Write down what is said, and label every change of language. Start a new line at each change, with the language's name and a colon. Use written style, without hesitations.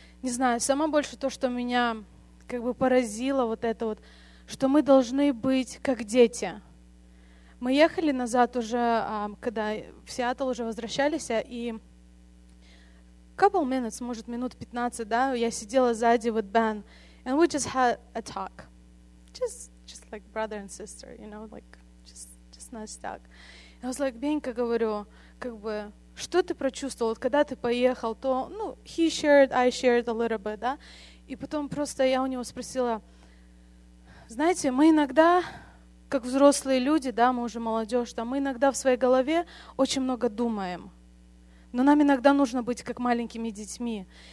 Russian: Не знаю, самое больше то, что меня как бы поразило, вот это вот, что мы должны быть как дети. Мы ехали назад уже, когда в Сиэтл уже возвращались, и
English: couple minutes,
Russian: может, минут 15, да, я сидела сзади
English: with Ben, and we just had a talk. Just like brother and sister, you know, like, just nice talk. I was like,
Russian: Бенька, говорю, как бы, что ты прочувствовал, когда ты поехал, то, ну,
English: he shared, I shared a little bit,
Russian: да, и потом просто я у него спросила, знаете, мы иногда, как взрослые люди, да, мы уже молодежь, да, мы иногда в своей голове очень много думаем, но нам иногда нужно быть как маленькими детьми.